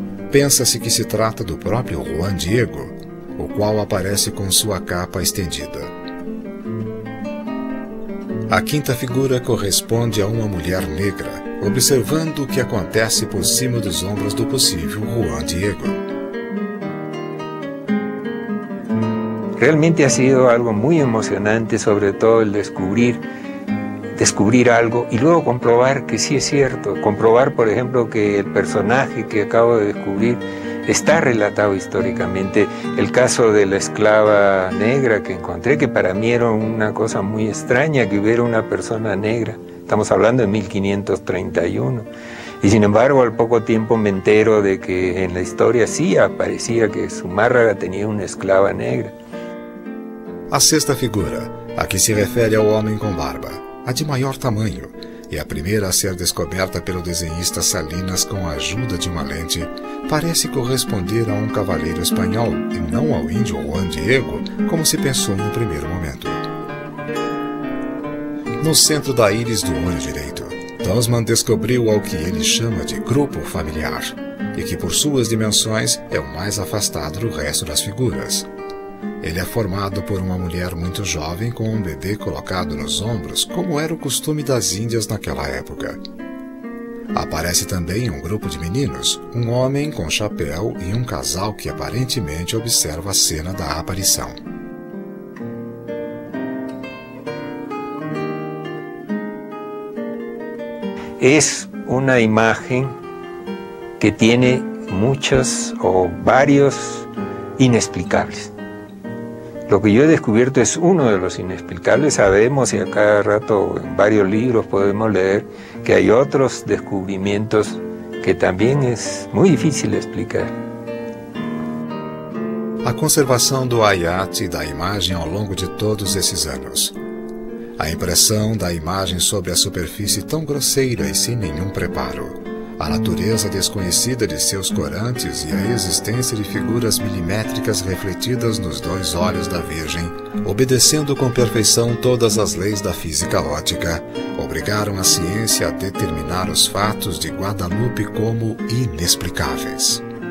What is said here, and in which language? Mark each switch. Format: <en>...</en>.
<pt>Pensa-se que se trata do próprio Juan Diego, o qual aparece com sua capa estendida. A quinta figura corresponde a uma mulher negra, observando o que acontece por cima dos ombros do possível Juan Diego.</pt> <es>Realmente ha sido algo muy emocionante, sobre todo el descubrir algo y luego comprobar que sí es cierto. Comprobar, por ejemplo, que el personaje que acabo de descubrir está relatado históricamente. El caso de la esclava negra que encontré, que para mí era una cosa muy extraña que hubiera una persona negra. Estamos hablando de 1531. Y sin embargo, al poco tiempo me entero de que en la historia sí aparecía que Sumárraga tenía una esclava negra.</es> <pt>A sexta figura, a que se refere ao homem com barba, a de maior tamanho, e a primeira a ser descoberta pelo desenhista Salinas com a ajuda de uma lente, parece corresponder a um cavaleiro espanhol e não ao índio Juan Diego, como se pensou no primeiro momento. No centro da íris do olho direito, Tosman descobriu ao que ele chama de grupo familiar, e que por suas dimensões é o mais afastado do resto das figuras. Ele é formado por uma mulher muito jovem com um bebê colocado nos ombros, como era o costume das índias naquela época. Aparece também um grupo de meninos, um homem com chapéu e um casal que aparentemente observa a cena da aparição. É uma imagem que tem muitos ou vários inexplicáveis.</pt> <es>Lo que yo he descubierto es uno de los inexplicables. Sabemos, y a cada rato en varios libros podemos leer, que hay otros descubrimientos que también es muy difícil explicar.</es> <pt>A conservação do Ayat e da imagem ao longo de todos esses anos. A impressão da imagem sobre a superfície tão grosseira e sem nenhum preparo. A natureza desconhecida de seus corantes e a existência de figuras milimétricas refletidas nos dois olhos da Virgem, obedecendo com perfeição todas as leis da física ótica, obrigaram a ciência a determinar os fatos de Guadalupe como inexplicáveis.</pt>